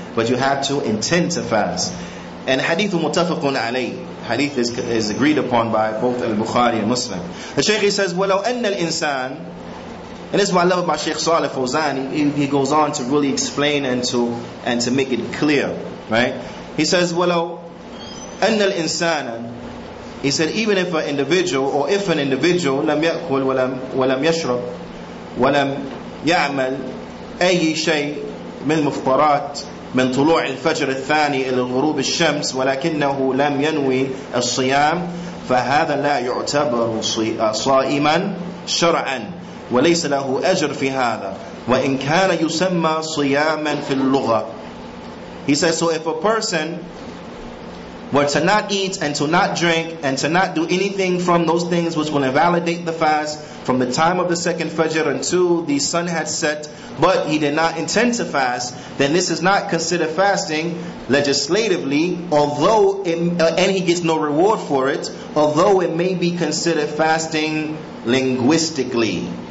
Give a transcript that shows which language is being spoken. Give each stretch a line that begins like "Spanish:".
English: But you have to intend to fast. And hadith mutafaqun alayh. Hadith is agreed upon by both al-Bukhari and Muslim. The Shaykh says,
Arabic: وَلَوْ أَنَّ الْإِنسَانِ,
English: And this is what I love about Sheikh Saleh Fawzan. He goes on to really explain and to make it clear, right? He says, "Walau anna al-insana," he said, even if an individual,
Arabic: or if an individual, لم يأكل ولم يشرب ولم يعمل أي شيء من المفطرات من طلوع الفجر الثاني إلى غروب الشمس ولكنه لم ينوي الصيام فهذا لا يعتبر صائما شرعا وليس له أجر في هذا وإن كان يسمى صياما في اللغة.
English: He says, so if a person were to not eat and to not drink and to not do anything from those things which will invalidate the fast from the time of the second Fajr until the sun had set, but he did not intend to fast, then this is not considered fasting legislatively, although and he gets no reward for it, although it may be considered fasting linguistically.